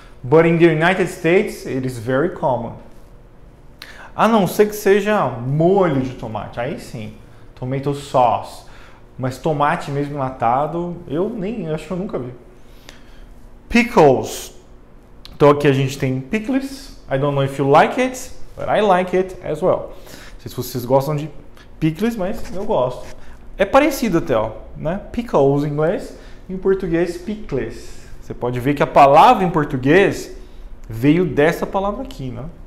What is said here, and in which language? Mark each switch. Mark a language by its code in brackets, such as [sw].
[en] But in the United States, it is very common. [pt] A não ser que seja molho de tomate, aí sim. [en] Tomato sauce. [pt] Mas tomate mesmo enlatado, eu nem acho que eu nunca vi. Pickles. Então aqui a gente tem pickles. [en] I don't know if you like it, but I like it as well. [pt] Não sei se vocês gostam de pickles, mas eu gosto. É parecido até, ó, né? Pickles em inglês. Em português, pickles. Você pode ver que a palavra em português veio dessa palavra aqui, né?